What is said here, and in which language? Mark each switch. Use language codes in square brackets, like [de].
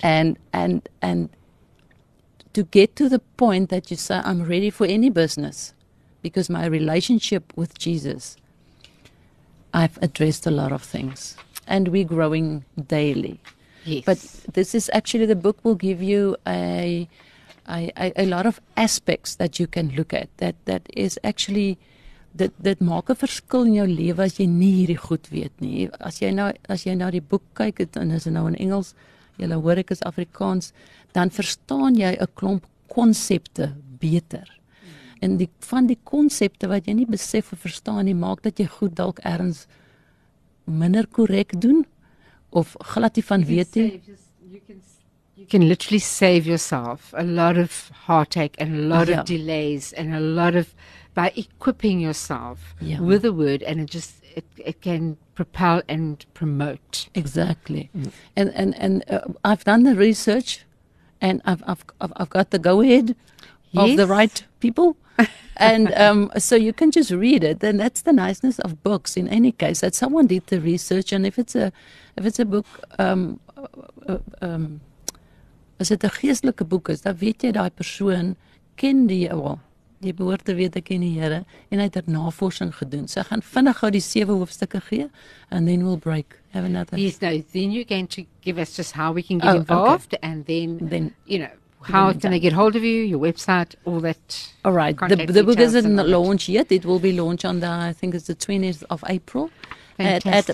[en] And to get to the point that you say, I'm ready for any business, because my relationship with Jesus, I've addressed a lot of things. And we're growing daily. Yes. But this is actually, the book will give you a lot of aspects that you can look at that is actually... [af] Dit maak 'n verskil in jou lewe as jy nie hierdie goed weet nie. As jy nou die boek kyk, dan is dit nou in Engels, jy hoor ek is Afrikaans, dan verstaan jy 'n klomp konsepte beter. En die van die konsepte wat jy nie besef of verstaan nie, maak dat jy goed dalk ergens minder korrek doen of glad nie van weet nie. [en] You can literally save yourself a lot of heartache and a lot of delays and a lot of, by equipping yourself with the word, and it can propel and promote. Exactly. And I've done the research, and I've got the go ahead of the right people. And so you can just read it. Then that's the niceness of books in any case, that someone did the research. And if it's a book, as it [af] 'n geestelike boek is, dan weet jy daai persoon ken die al. Jy behoort te weet ek ken die Here en hy het navorsing gedoen. So gaan vinnig gou die 7 hoofstukke gee [en] and then we'll break. Have another. Yes, no, then you're going to give us just how we can get involved and then you know, how can they get hold of you, your website, all that. All right, the book isn't launched yet. It will be launched on the 20th of April. Fantastic.